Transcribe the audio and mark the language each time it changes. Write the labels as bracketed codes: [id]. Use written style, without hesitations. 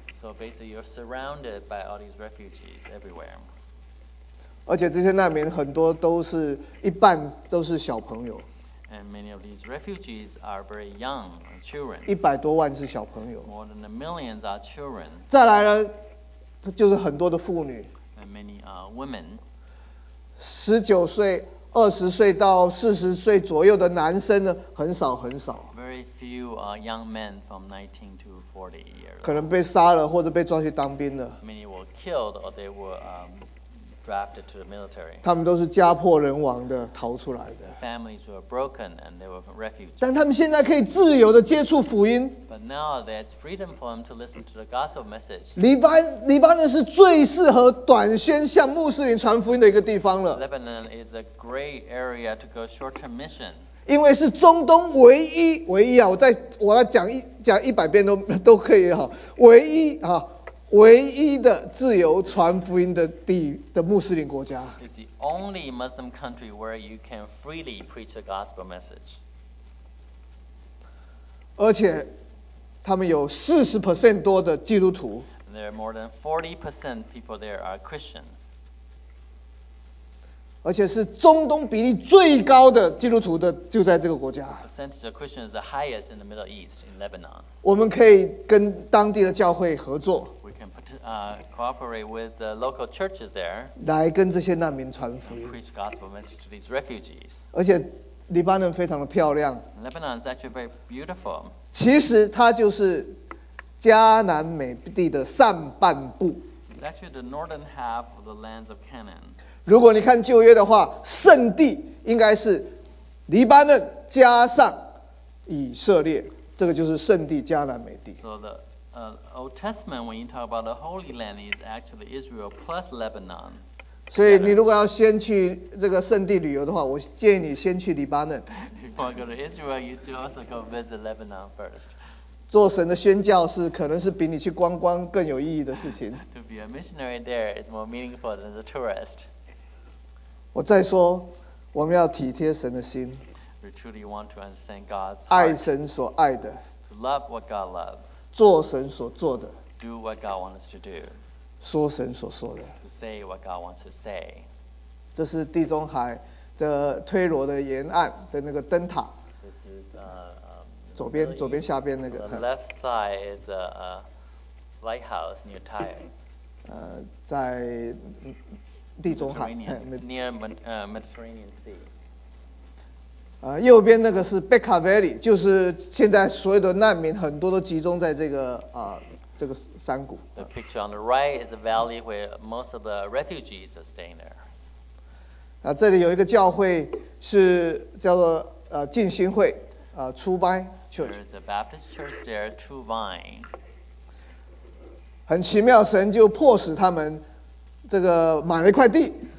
[en] So basically, you're surrounded by all these refugees everywhere. [zh] 而且这些难民很多都是一半都是小朋友。 [en] And many of these refugees are very young children. [zh] 一百多万是小朋友。 [en] More than a million are children. [zh] 再来呢，就是很多的妇女。 [en] And many are women. [zh] 19岁、20岁到40岁左右的男生呢，很少很少。 [en] Very few young men from 19 to 40 years. [zh] 可能被杀了或者被抓去当兵了。 [en] Many were killed or they were. Drafted to the military. [zh] 他们都是家破人亡的逃出来的。 [en] Families were broken and they were refugees. [zh] 但他们现在可以自由的接触福音。 [en] But now there's freedom for them to listen to the gospel message. [zh] 黎巴嫩是最适合短宣向穆斯林传福音的一个地方了。 [en] Lebanon is a great area to go short-term mission. [zh] 因为是中东唯一啊，我再讲一百遍都可以哈，唯一啊。唯一的自由传福音的穆斯林国家。 [en] It's the only Muslim country where you can freely preach the gospel message. [zh] 而且他们有 40% 多的基督徒。 [en] There are more than 40% people there are Christians. [zh] 而且是中东比例最高的基督徒的就在这个国家。 [en] The percentage of Christians is the highest in the Middle East, in Lebanon. [zh] 我们可以跟当地的教会合作。 [en] Cooperate with the local churches there. [zh] 来跟这些难民传福音。 [en] Preach gospel message to these refugees. [zh] 而且黎巴嫩非常的漂亮。 [en] Lebanon is actually very beautiful. [zh] 其实它就是迦南美地的上半部。 [en] It's actually the northern half of the lands of Canaan. [zh] 如果你看旧约的话，圣地应该是黎巴嫩加上以色列，这个就是圣地迦南美地。 [en] So theOld Testament, when you talk about the Holy Land, is actually Israel plus Lebanon. [zh] 所以你如果要先去这个圣地旅游的话，我建议你先去黎巴嫩。 [en] If you go to Israel, you should also go visit Lebanon first. [zh] 做神的宣教是可能是比你去观光更有意义的事情。 [en] To be a missionary there is more meaningful than the tourist. [zh] 我再说，我们要体贴神的心。 [en] We truly want to understand God's [zh] heart. 爱神所爱的。 [en] To love what God loves. [zh] 做神所做的 [en] do what God wants us to do, [zh] 说神所说的 [en] to say what God wants to say. [zh] 这是地中海这推罗的沿岸的那个灯塔 [en] this is, [zh] 左边下边那个 [en] the left side is a lighthouse near Tyre [zh] 在地中海 [en] near Mediterranean Sea [zh] 右边那个是 Becca Valley, 就是现在所有的难民很多都集中在这个这个山谷。 [en] The picture on the right is a valley where most of the refugees are staying there. [zh] 啊，这里有一个教会是叫做浸信会True Vine Church. [en] There's a Baptist church there, True Vine. [zh] 很奇妙，神就迫使他们这个买了一块地。